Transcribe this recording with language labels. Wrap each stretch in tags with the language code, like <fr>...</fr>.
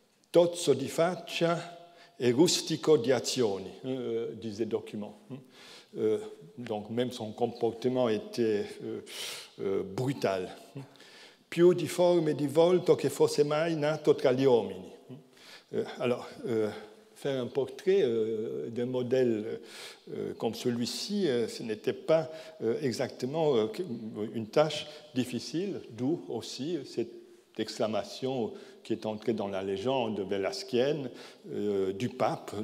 <it>Tozzo di faccia e rustico di azioni,</it> <fr>disait document. Donc même son comportement était brutal.</fr> <it>Più di forme di volto che fosse mai nato tra gli uomini.</it> <fr>Alors, faire un portrait d'un modèle comme celui-ci, ce n'était pas exactement une tâche difficile, d'où aussi cette exclamation qui est entrée dans la légende velasquienne du pape.</fr>